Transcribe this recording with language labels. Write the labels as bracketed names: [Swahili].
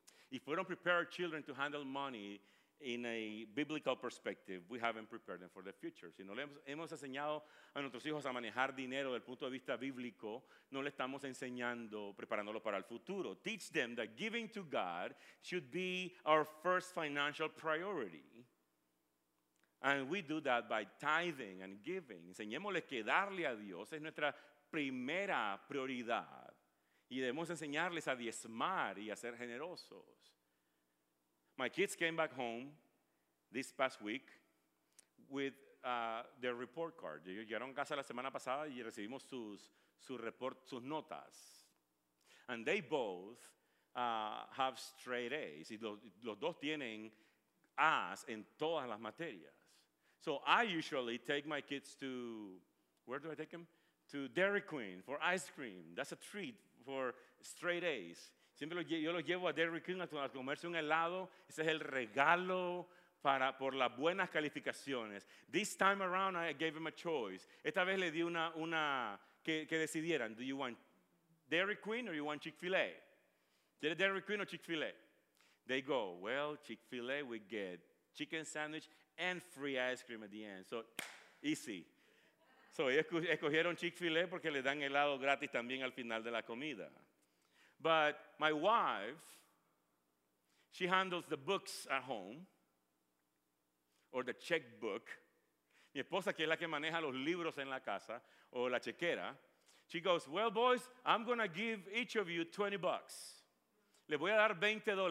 [English] If we don't prepare our children to handle money in a biblical perspective, we haven't prepared them for the future. [Spanish] Si no le hemos enseñado a nuestros hijos a manejar dinero del punto de vista bíblico, no le estamos enseñando, preparándolo para el futuro. [English] Teach them that giving to God should be our first financial priority. And we do that by tithing and giving. [Spanish] Enseñémosle que darle a Dios es nuestra primera prioridad. Y debemos enseñarles a diezmar y a ser generosos. [English] My kids came back home this past week with their report card. [Spanish] Ellos llegaron a casa la semana pasada y recibimos sus notas. [English] And they both have straight A's. [Spanish] Y los dos tienen A's en todas las materias. [English] So I usually take my kids to, where do I take them? To Dairy Queen for ice cream. That's a treat for straight A's. [Spanish] Siempre yo los llevo a Dairy Queen a comerse un helado. Ese es el regalo por las buenas calificaciones. [English] This time around, I gave them a choice. [Spanish] Esta vez le di una que decidieran. [English] Do you want Dairy Queen or you want Chick-fil-A? [Spanish] ¿Quieres Dairy Queen o Chick-fil-A? [English] They go, well, Chick-fil-A, we get chicken sandwich and free ice cream at the end. So, easy. [Spanish] So, ellos escogieron Chick-fil-A porque le dan helado gratis también al final de la comida. [English] But my wife, she handles the books at home, or the checkbook. [Spanish] Mi esposa, que es la que maneja los libros en la casa, o la chequera, [English] she goes, well, boys, I'm going to give each of you $20. [Spanish] Le voy a dar $20.